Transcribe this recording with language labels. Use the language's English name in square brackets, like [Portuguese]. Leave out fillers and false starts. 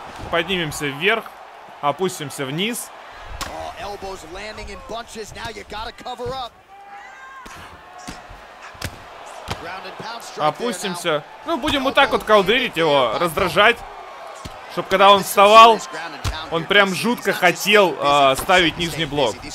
[Russian] Поднимемся вверх, опустимся вниз. [English] Elbows landing in bunches. Now you gotta cover up. Ground and pound strike. [Russian] Опустимся. Ну, будем вот так вот колдырить его, раздражать. Чтоб когда он вставал, он прям жутко хотел ставить нижний блок.